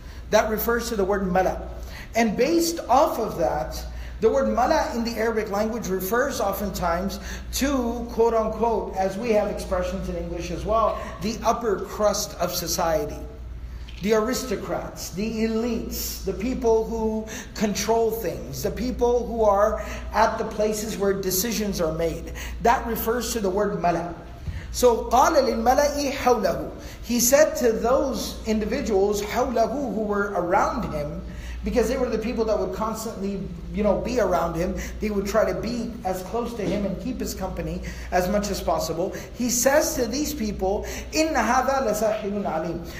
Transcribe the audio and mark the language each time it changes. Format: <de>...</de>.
<en>That refers to the word mala. And based off of that, the word mala in the Arabic language refers oftentimes to, quote unquote, as we have expressions in English as well, the upper crust of society. The aristocrats, the elites, the people who control things, the people who are at the places where decisions are made. That refers to the word mala.</en> <ar>So, قَالَ لِلْمَلَئِ حَوْلَهُ.</ar> <en>He said to those individuals, حَوْلَهُ, who were around him, because they were the people that would constantly, you know, be around him. They would try to be as close to him and keep his company as much as possible. He says to these people,</en> <ar>إِنَّ هَذَا لَسَحِرٌ عَلِيمٌ.</ar>